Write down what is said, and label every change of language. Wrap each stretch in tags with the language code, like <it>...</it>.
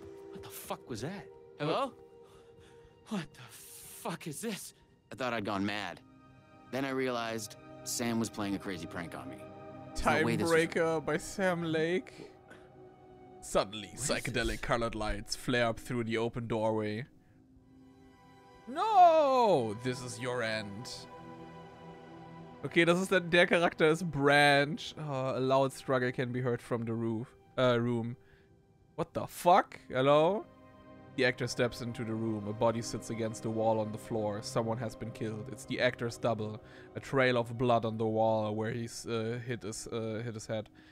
<en>What the fuck was that? Hello? What the fuck is this? I thought I'd gone mad. Then I realized Sam was playing a crazy prank on me. Time Breaker by Sam Lake. Suddenly, psychedelic colored lights flare up through the open doorway. No! This is your end.</en> <de>Okay, das ist dann, der Charakter ist Branch.</de> <en>Oh, a loud struggle can be heard from the roof. Room. What the fuck? Hello? The actor steps into the room. A body sits against a wall on the floor. Someone has been killed. It's the actor's double. A trail of blood on the wall where he's hit his head.</en>